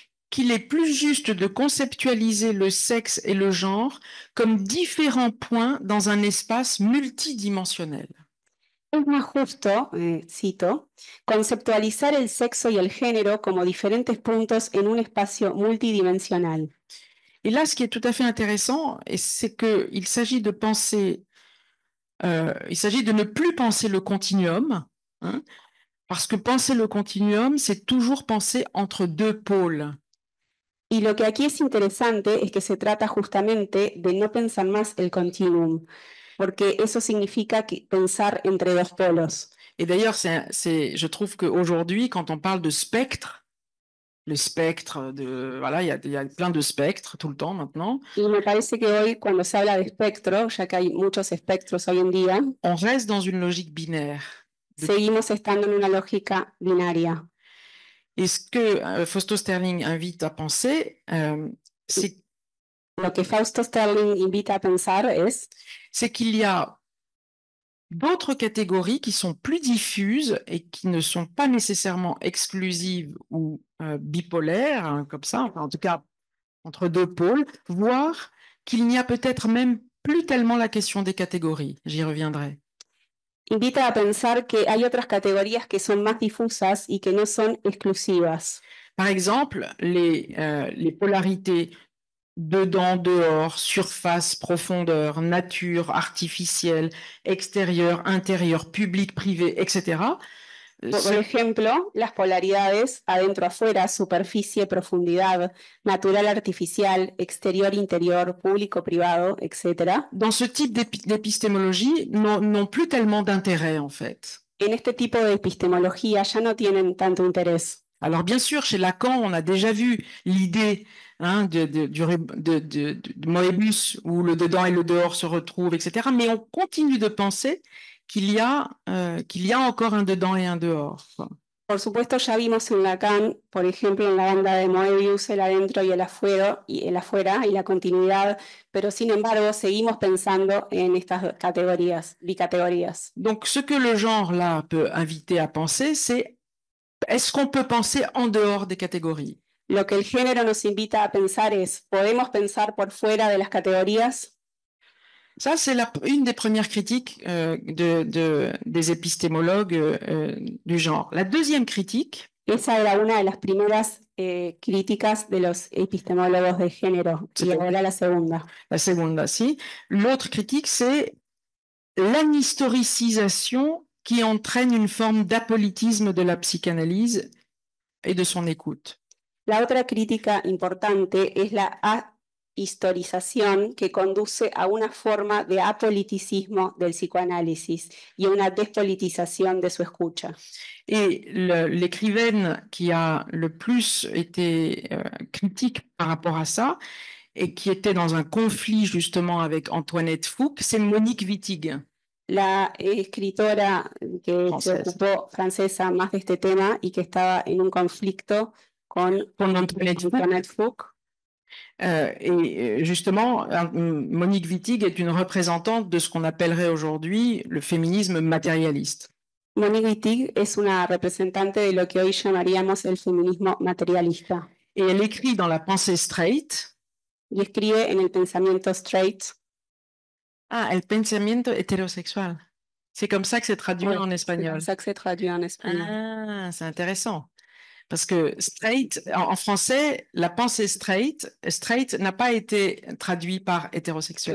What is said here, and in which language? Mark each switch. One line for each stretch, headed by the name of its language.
French: Qu'il est plus juste de conceptualiser le sexe et le genre comme différents points dans un espace multidimensionnel.
Spanish: Es más justo, cito, conceptualizar el sexo y el género como diferentes puntos en un espacio multidimensional.
French: Et là, ce qui est tout à fait intéressant, c'est qu'il s'agit de penser, il s'agit de ne plus penser le continuum, parce que penser le continuum, c'est toujours penser entre deux pôles.
Spanish: Y lo que aquí es interesante es que se trata justamente de no pensar más el continuum. Porque eso significa que pensar entre dos polos.
French: Et d'ailleurs, je trouve qu'aujourd'hui, quand on parle de spectre, le spectre de... Voilà, il y a plein de spectres tout le temps maintenant.
Spanish: Y me parece que hoy, cuando se habla de espectro, ya que hay muchos espectros hoy en día,
French: on reste dans une logique binaire.
Spanish: Seguimos estando en una lógica binaria.
French: Et ce que Fausto Sterling invite à penser, c'est...
Spanish: Lo que Fausto Sterling invita a pensar es...
French: C'est qu'il y a d'autres catégories qui sont plus diffuses et qui ne sont pas nécessairement exclusives ou bipolaires, hein, comme ça, enfin, en tout cas entre deux pôles, voire qu'il n'y a peut-être même plus tellement la question des catégories. J'y reviendrai.
Spanish: Invita a pensar que hay otras categorías que son más difusas y que no son exclusivas.
French: Par exemple, les polarités dedans, dehors, surface, profondeur, nature, artificielle, extérieur, intérieur, public, privé, etc.
Spanish: Por ejemplo, las polaridades adentro, afuera, superficie, profundidad, natural, artificial, exterior, interior, público, privado, etc.
French: Dans ce type d'épistémologie, n'ont plus tellement d'intérêt, en fait.
Spanish: En este tipo de epistemología ya no tienen tanto interés.
French: Alors, bien sûr, chez Lacan, on a déjà vu l'idée, hein, de Moebius, où le dedans et le dehors se retrouvent, etc. Mais on continue de penser qu'il y a encore un dedans et un dehors.
Spanish: Por supuesto, ya vimos en Lacan, por ejemplo, en la banda de Moebius, el adentro y el afuera y la continuidad, pero sin embargo, seguimos pensando en estas categorías, bicategorías.
French: Donc, ce que le genre là peut inviter à penser, c'est est-ce qu'on peut penser en dehors des catégories?
Spanish: Lo que el género nos invita a pensar es, ¿podemos pensar por fuera de las categorías?
French: Ça, c'est une des premières critiques des épistémologues du genre. La deuxième critique,
Spanish: esa era una de las primeras críticas de los epistemólogos de género, y ahora la segunda.
French: La seconde, si. L'autre critique, c'est l'anhistoricisation qui entraîne une forme d'apolitisme de la psychanalyse et de son écoute.
Spanish: La otra crítica importante es la historización que conduce a una forma de apoliticismo del psicoanálisis y a una despolitización de su escucha.
French: Et l'écrivaine qui a le plus été critique par rapport à ça et qui était dans un conflit justement avec Antoinette Fouque, c'est Monique Wittig.
Spanish: La escritora que se ocupó francesa más de este tema y que estaba en un conflicto con Antoinette Fouque.
French: Et justement, Monique Wittig est une représentante de ce qu'on appellerait aujourd'hui le féminisme matérialiste.
Spanish: Monique Wittig es una representante de lo que hoy llamaríamos el feminismo materialista.
French: Et elle écrit dans la pensée straight.
Spanish: Y escribe en el pensamiento straight. Ah, el pensamiento heterosexual.
French: C'est comme ça que c'est traduit, oui, en espagnol. C'est comme ça que c'est traduit en espagnol. Ah, c'est intéressant. Parce que straight, en français, la pensée straight n'a pas été traduit par hétérosexuel.